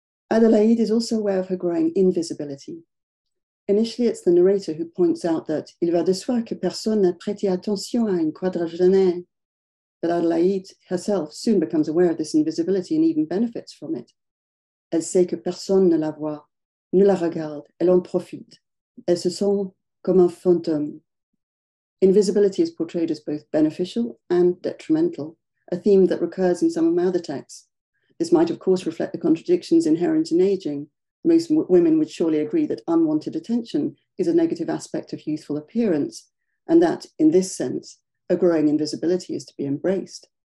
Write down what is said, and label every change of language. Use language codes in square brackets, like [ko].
[en] Adelaide is also aware of her growing invisibility. Initially, it's the narrator who points out that [fr] il va de soi que personne n'a prêté attention à une quadragénaire. [en] But Adelaide herself soon becomes aware of this invisibility and even benefits from it. [fr] Elle sait que personne ne la voit, ne la regarde, elle en profite. Elle se sent comme un fantôme. [en] Invisibility is portrayed as both beneficial and detrimental, a theme that recurs in some of my other texts. This might, of course, reflect the contradictions inherent in aging. Most women would surely agree that unwanted attention is a negative aspect of youthful appearance, and that, in this sense, a growing invisibility is to be embraced.